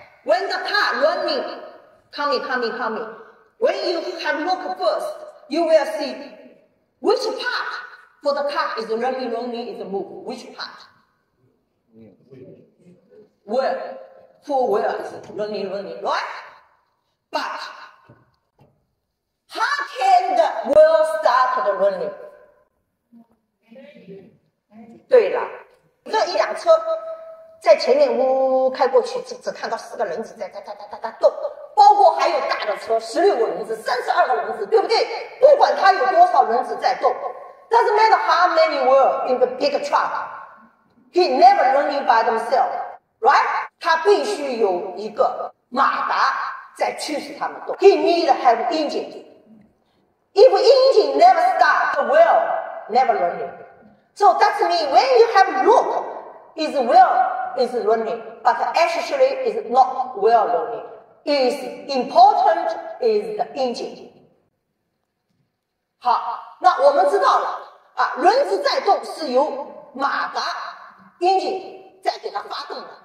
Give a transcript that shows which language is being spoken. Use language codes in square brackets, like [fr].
[en] When the car running, coming, coming, coming, when you have look first, you will see which part for the car is running, running, is move, which part? Where? For where is running, running, right? But how can the world start the running? [zh] 对了，这一辆车在前面呜呜开过去，只看到四个轮子在哒哒哒哒哒动，包括还有大的车，16个轮子、32个轮子，对不对？不管它有多少轮子在动 [en] ，doesn't matter how many wheels in the big truck, he never running by themselves, right? [zh] 他必须有一个马达在驱使他们动。 [en] He need have engine. If engine never start, the wheel never running. So that's mean when you have look, is well is learning, but actually is not well learning. Is important is the engine. [zh] 好，那我们知道了啊，轮子在动是由马达 engine 在给它发动的。